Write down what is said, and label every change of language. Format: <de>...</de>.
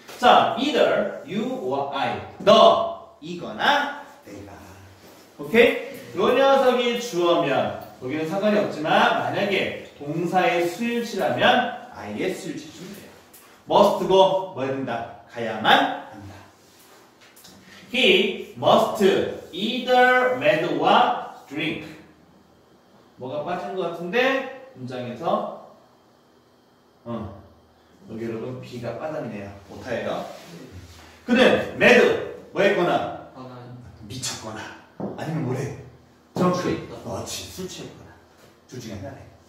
<ko>자, either you or I. 너, 이거나 내가. 오케이? 요 녀석이 주어면 여기는 상관이 없지만 만약에 동사의 수일치라면 I의 수일치 주면 돼요. Must go 뭐 해야 된다? 가야만 한다.</ko> <en>He must either mad or drink.</en> <ko>뭐가 빠진 것 같은데 문장에서 여기 여러분 B가 빠졌네요. 오타예요. 그는 mad 뭐 했거나 미쳤거나 아니면 뭐래? 정취했다. 그렇지. 술 취했거나 둘 중에 하나네.</ko>